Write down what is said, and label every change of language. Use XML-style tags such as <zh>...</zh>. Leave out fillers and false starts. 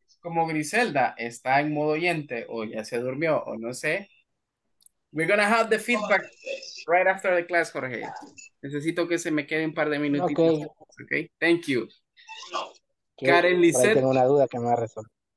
<es>Como Griselda está en modo oyente, o ya se durmió, o no sé.</es> <en>We're gonna have the feedback right after the class, Jorge.</en> <es>Necesito que se me quede un par de minutitos. Okay.</es> <en>Okay? Thank you. Karen Lisset.</en> <es>Tengo una duda que me va a resolver.</es>